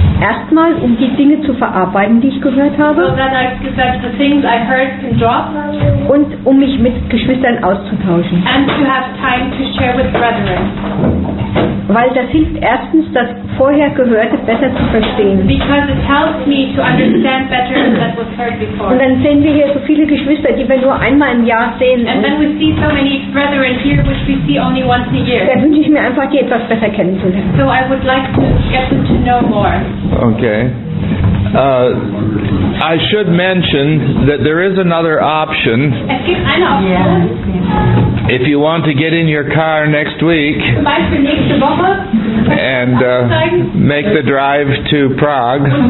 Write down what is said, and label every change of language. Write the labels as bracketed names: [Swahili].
[German] Erstmal, um die Dinge zu verarbeiten, die ich gehört habe. [English] So that the things I heard can drop. [German] Und um mich mit Geschwistern auszutauschen. [English] And to have time to share with brethren. [German] Weil das hilft erstens, das vorher Gehörte besser zu verstehen. [English] Because it helps me to understand better than what was heard before. [German] Und dann sehen wir hier so viele Geschwister, die wir nur einmal im Jahr sehen. [English] And then we see so many brethren here, which we see only once a year. [German] Da wünsche ich mir einfach, die etwas besser kennenzulernen. [English] So I would like to get them to know more. Okay. I should mention that there is another option. [German] Es gibt eine Option. [English] Yeah. If you want to get in your car next week and make the drive to Prague,